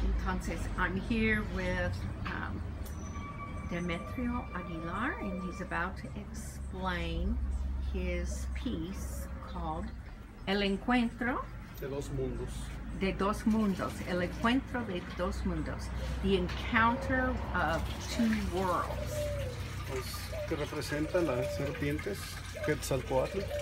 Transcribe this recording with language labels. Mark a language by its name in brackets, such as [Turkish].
[Spanish] Entonces, [English] I'm here with Demetrio Aguilar, and he's about to explain his piece called El Encuentro [Spanish] de Dos Mundos. De Dos Mundos. El Encuentro de Dos Mundos. [English] The Encounter of Two Worlds. [Spanish] Pues, que representa las serpientes, Quetzalcóatl.